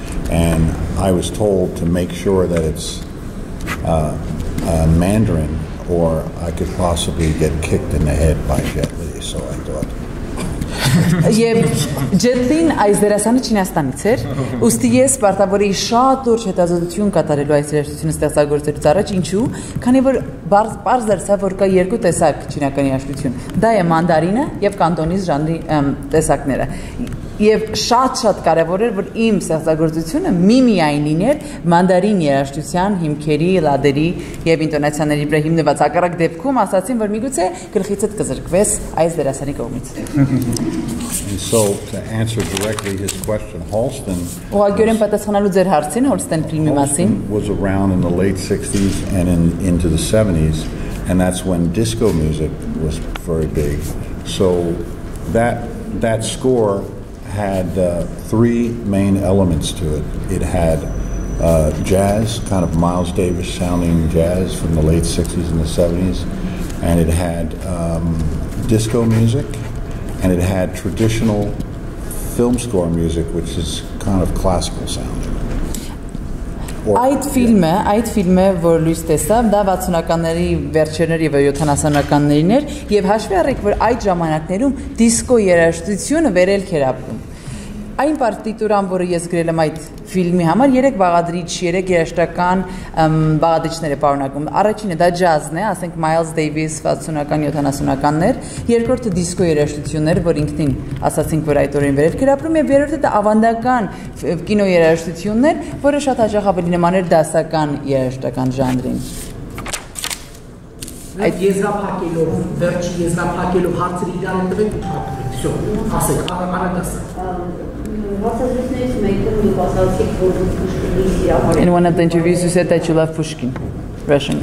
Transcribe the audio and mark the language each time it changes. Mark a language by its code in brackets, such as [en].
[en] And I was told to make sure that it's Mandarin, or I could possibly get kicked in the head by Jet Li, so I thought. [hy] Եվ Jet Li-ն այս դերասանը Չինաստանից էր, ուստի ես պարտավոր էի շատ լուրջ հետազոտություն կատարելու այս երաժշտությունը ստեղծագործելուց առաջ, ինչու, քանի որ պարզ դարձավ, որ կա երկու տեսակ չինական երաժշտություն, դա է մանդարինը և կանտոնիզ ժանրի տեսակները, և շատ կարևոր էր, որ իմ ստեղծագործությունը միմիայն լիներ մանդարին երաժշտության հիմքերի, լադերի և ինտոնացիաների վրա հիմնված։ Հակառակ դեպքում ասացին, որ միգուցե գլխիցդ կզրկվես այս դերասանի կողմից։ [en] So to answer directly his question, Halston. [hy] Ու ագյուրեն պատասխանելու ձեր հարցին, Halston ֆիլմի մասին. [en] Was around in the late 60s and into the 70s, and that's when disco music was very big. So that score had three main elements to it. It had jazz, kind of Miles Davis sounding jazz from the late 60s and the 70s, and it had disco music, and it had traditional film score music, which is kind of classical sounding. [hy] Այդ ֆիլմը, որ լույս տեսավ, դա 60-ականների վերջերներ եւ 70-ականներին էր, եւ հաշվի առեք, որ այդ ժամանակներում դիսկո երաժշտությունը վերելք էր ապրում։ Այն պարտիտուրան, որը ես գրել եմ այդ ֆիլմի համար, երեք բաղադրիչ, երեք երաժշտական բաղադրիչներ է պարունակում։ Առաջինը դա ջազն է, ասենք Miles Davis 60-ական, 70-ականներ, երկրորդը դիսկո երաժշտություններ, որ ինքնին ասացինք, որ այդ օրերին վերելք էր ապրում, եւ երրորդը դա ավանդական կինո երաժշտություններ, որը շատ հաճախ ավելի նման էր դասական երաժշտական ժանրին։ Այդ եզրափակելով, վերջի եզրափակելով հարցերը իրանում տվեք, [ru] всё, [hy] ասեք, առանց [en] In one of the interviews, you said that you love Pushkin, Russian.